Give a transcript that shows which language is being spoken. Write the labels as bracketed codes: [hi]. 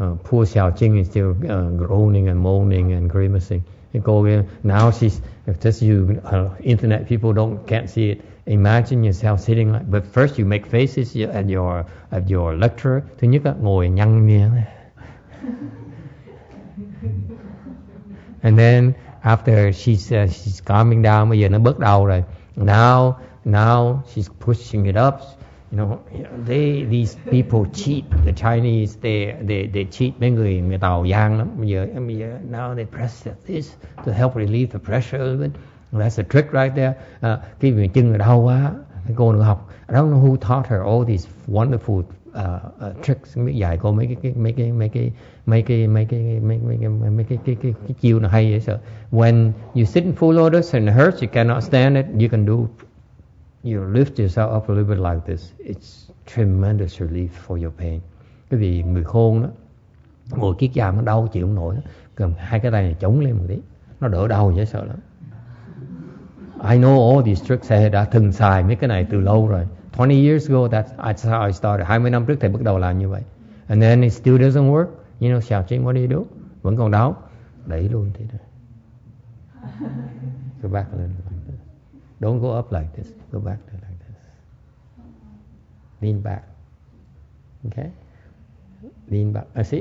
[en] Poor Xiao Jing is still groaning and moaning and grimacing. Now she's just you internet people can't see it. Imagine yourself sitting like, but first you make faces at your lecturer. [vi] Thứ nhất là ngồi nhăn miệng. [en] And then after she's calming down, [vi] bây giờ nó bước đầu rồi. [en] Now she's pushing it up. You know, these people cheat the Chinese. They cheat [vi] mấy người Tàu Giang lắm. Bây giờ, [en] now they press this to help relieve the pressure. That's a trick right there. [vi] Khi mình chân ở đâu quá, cái cô được học. [en] I don't know who taught her all these wonderful tricks. [vi] Không biết dạy cô mấy cái chiêu nào hay vậy. [en] So when you sit in full lotus and it hurts, you cannot stand it. You can do. You lift yourself up a little bit like this. It's tremendous relief for your pain. [vi] Cái vì người khôn đó, ngồi kiết già nó đau chịu không nổi, cầm hai cái tay này chống lên một tí, nó đỡ đau dễ sợ lắm. [en] I know all these tricks. I [vi] đã từng xài mấy cái này từ lâu rồi. [en] 20 years ago, that's how I started. [vi] 20 năm trước thầy bắt đầu làm như vậy. [en] And then it still doesn't work. You know, Xiao Jing, what do you do? [vi] Vẫn còn đau. Đẩy luôn thế này. [en] Go back a little. Don't go up like this. Go back to like this. Lean back. Okay? Lean back. See?